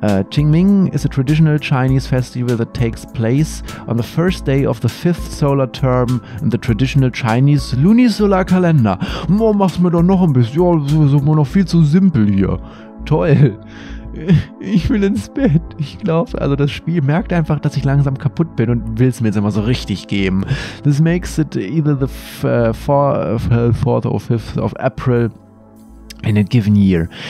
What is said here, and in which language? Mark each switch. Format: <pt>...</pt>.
<en>Qingming is a traditional Chinese festival that takes place on the first day of the fifth solar term in the traditional Chinese lunisolar calendar.</en> <de>Oh, mach's mir doch noch ein bisschen. Ja, das ist immer noch viel zu simpel hier. Toll. Ich will ins Bett. Ich glaube, also das Spiel merkt einfach, dass ich langsam kaputt bin und will es mir jetzt immer so richtig geben.</de> <en>This makes it either the 4th or 5th of April in a given year.</en>